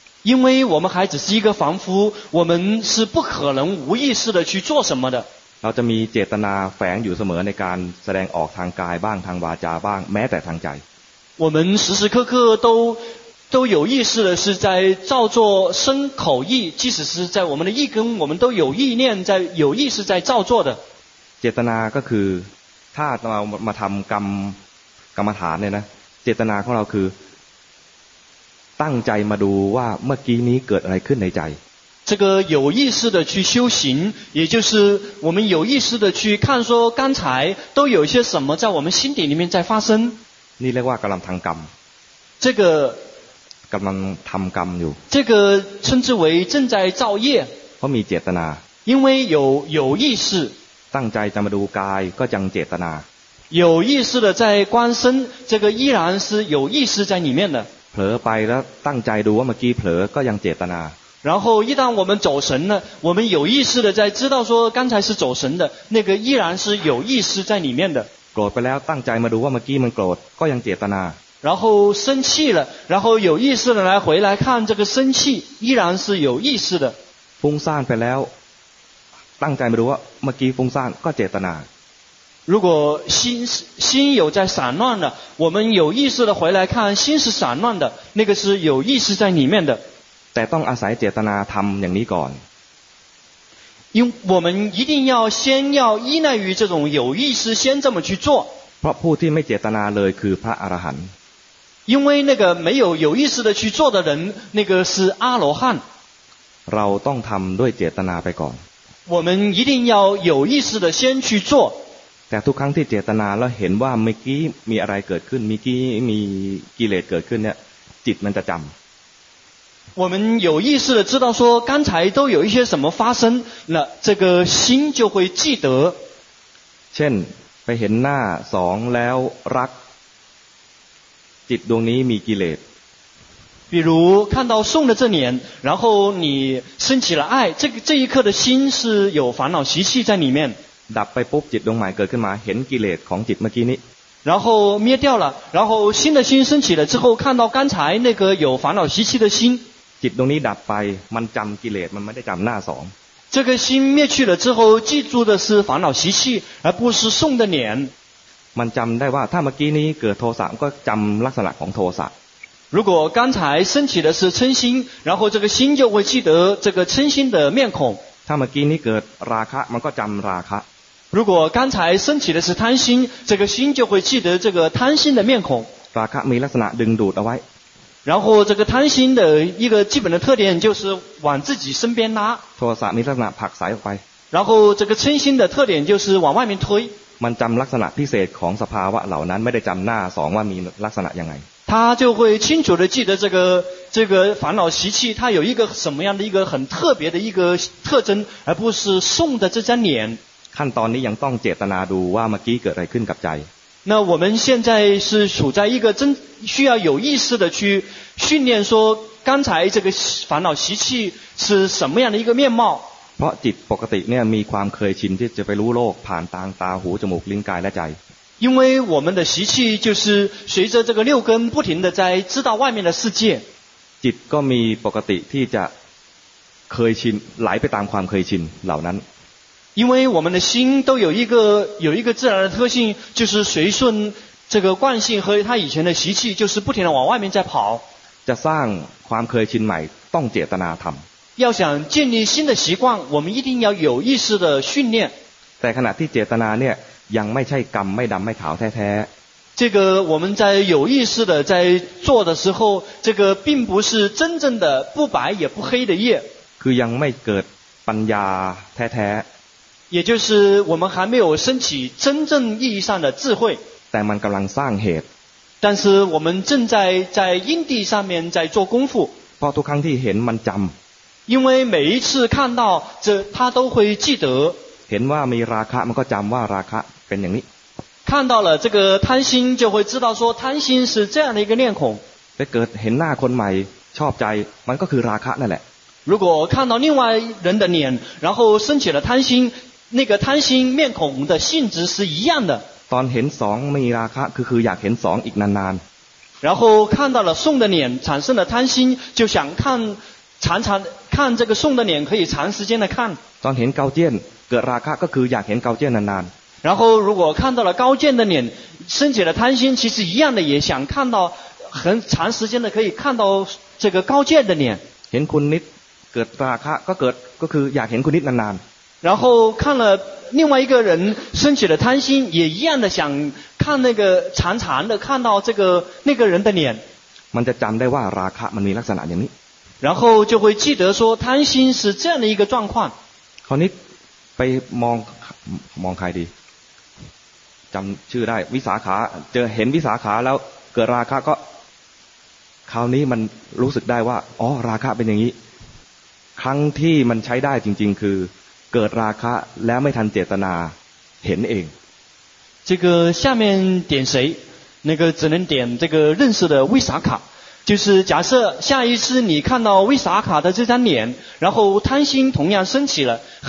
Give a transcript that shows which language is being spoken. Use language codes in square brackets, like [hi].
[zh] 因为我们还只是一个凡夫，我们是不可能无意识的去做什么的。 [th] เราจะมีเจตนาแฝงอยู่เสมอในการแสดงออกทางกายบ้างทางวาจาบ้างแม้แต่ทางใจ。 [zh] 我们时时刻刻都有意识的是在造作身口意，即使是在我们的意根，我们都有意念在有意识在造作的。 [th] เจตนาก็คือถ้าเรามาทำกรรมฐานเนี่ยนะเจตนาของเราคือตั้งใจมาดูว่าเมื่อกี้นี้เกิดอะไรขึ้นในใจ [zh] 这个有意识的去修行也就是我们有意识的去看说刚才都有些什么在我们心底里面在发生 [th] นี่เรียกว่ากำลังทำกรรม [zh] 这个 [th] กำลังทำกรรมอยู่ [zh] 这个称之为正在造业 [th] เพราะมีเจตนา [zh] 因为有意识 [th] ตั้งใจจะมาดูกายก็ยังเจตนา [zh] 有意识的在观身这个依然是有意识在里面的 [th] เผลอไปแล้วตั้งใจดูว่าเมื่อกี้เผลอก็ยังเจตนา [zh] 然后一旦我们走神了我们有意识的在知道说刚才是走神的那个依然是有意识在里面的 [th] โกรธไปแล้วตั้งใจมาดูว่าเมื่อกี้มันโกรธก็ยังเจตนา [zh] 然后生气了然后有意识的来回来看这个生气依然是有意识的 [th] ฟุ้งซ่านไปแล้วตั้งใจมาดูว่าเมื่อกี้ฟุ้งซ่านก็เจตนา [zh] 如果心有在散乱的我们有意识的回来看心是散乱的那个是有意识在里面的 [th] แต่ต้องอาศัยเจตนาทำอย่างนี้ก่อน [zh] 因为我们一定要先要依赖于这种有意识先这么去做 [th] เพราะผู้ที่ไม่เจตนาเลยคือพระอรหันต์ [zh] 因为那个没有有意识的去做的人那个是阿罗汉 [th] เราต้องทำด้วยเจตนาไปก่อน [zh] 我们一定要有意识的先去做 [th] แต่ทุกครั้งที่เจตนาแล้วเห็นว่าเมื่อกี้มีอะไรเกิดขึ้นมีกิเลสเกิดขึ้นเนี่ยจิตมันจะจำ [zh] 我们有意识的知道说刚才都有一些什么发生了这个心就会记得 [th] เช่นไปเห็นหน้าสองแล้วรักจิตดวงนี้มีกิเลส [zh] 比如看到宋的这脸然后你升起了爱这一刻的心是有烦恼习气在里面 [th] ดับไปปุ๊บจิตดวงใหม่เกิดขึ้นมาเห็นกิเลสของจิตเมื่อกี้นี้ [zh] 然后灭掉了然后新的心升起了之后看到刚才那个有烦恼习气的心 [th] จิตดวงนี้ดับไปมันจำกิเลสมันไม่ได้จำหน้าสอง [zh] 这个心灭去了之后记住的是烦恼习气而不是送的脸 [th] มันจำได้ว่าถ้าเมื่อกี้นี้เกิดโทสะก็จำลักษณะของโทสะ [zh] 如果刚才升起的是嗔心然后这个心就会记得这个嗔心的面孔 [th] ถ้าเมื่อกี้นี้เกิดราคะมันก็จำราคะ [zh] 如果刚才升起的是贪心这个心就会记得这个贪心的面孔 [th] ราคะมีลักษณะดึงดูดเอาไว้ [zh] 然后这个贪心的一个基本的特点就是往自己身边拉 [th] โทสะมีลักษณะผลักสายออกไป [zh] 然后这个嗔心的特点就是往外面推 [th] มันจำลักษณะพิเศษของสภาวะเหล่านั้นไม่ได้จำหน้าสองว่ามีลักษณะยังไง [zh] 他就会清楚地记得这个烦恼习气它有一个什么样的一个很特别的一个特征而不是送的这张脸 [th] ขั้นตอนนี้ยังต้องเจตนาดูว่าเมื่อกี้เกิดอะไรขึ้นกับใจ [zh] 那我们现在是处在一个真需要有意识的去训练说刚才这个烦恼习气是什么样的一个面貌 [th] เพราะจิตปกติเนี่ยมีความเคยชินที่จะไปรู้โลกผ่านตาหูจมูกลิ้นกายและใจ [zh] 因为我们的习气就是随着这个六根不停的在知道外面的世界 [th] จิตก็มีปกติที่จะเคยชินไหลไปตามความเคยชินเหล่านั้น [zh] 因为我们的心都有一个自然的特性就是随顺这个惯性和他以前的习气就是不停地往外面在跑 [th] จะสร้างความเคยชินใหม่ต้องเจตนาทำ [zh] 要想建立新的习惯我们一定要有意识的训练 [th] แต่ขณะที่เจตนาเนี่ยยังไม่ใช่กรรมไม่ดำไม่ขาวแท้ [zh] ๆ这个我们在有意识的在做的时候这个并不是真正的不白也不黑的业 [th] คือยังไม่เกิดปัญญาแท้ๆ [zh] 也就是我们还没有升起真正意义上的智慧 [th] แต่มันกำลังสร้างเหตุ [zh] 但是我们正在因地上面在做功夫 [th] เพราะทุกครั้งที่เห็นมันจำ [zh] 因为每一次看到这他都会记得 [th] เห็นว่ามีราคะมันก็จำว่าราคะเป็นอย่างนี้ [zh] 看到了这个贪心就会知道说贪心是这样的一个念孔 [th] แต่เกิดเห็นหน้าคนใหม่ ชอบใจมันก็คือราคะนั่นแหละ [zh] 如果看到另外人的脸然后升起了贪心那个贪心面孔的性质是一样的 [th] ตอนเห็นสองมีราคะคืออยากเห็นสองอีกนาน [zh] ๆ然后看到了宋的脸产生了贪心就想看常常看这个宋的脸可以长时间的看 [th] ตอนเห็นเกาเจี้ยนเกิดราคะก็คืออยากเห็นเกาเจี้ยนนานๆ [zh] 然后如果看到了高见的脸升起了贪心其实一样的也想看到很长时间的可以看到这个高见的脸 [th] เห็นคุณนิดเกิดราคะก็เกิดก็คืออยากเห็นคุณนิดนาน [zh] ๆ然后看了另外一个人升起了贪心也一样的想看那个长长的看到这个那个人的脸 [th] มันจะจำได้ว่าราคะมันมีลักษณะอย่างนี้ [zh] 然后就会记得说贪心是这样的一个状况 [th] คราวนี้ไปมองใครดีจำชื่อได้วิสาขาเจอเห็นวิสาขาแล้วเกิดราคะก็คราวนี้มันรู้สึกได้ว่าอ๋อราคะเป็นอย่างนี้ครั้งที่มันใช้ได้จริงๆคือเกิดราคะแล้วไม่ทันเจตนาเห็นเอง [zh] 这个下面点谁那个只能点这个认识的维萨卡就是假设下一次你看到维萨卡的这张脸然后贪心同样升起了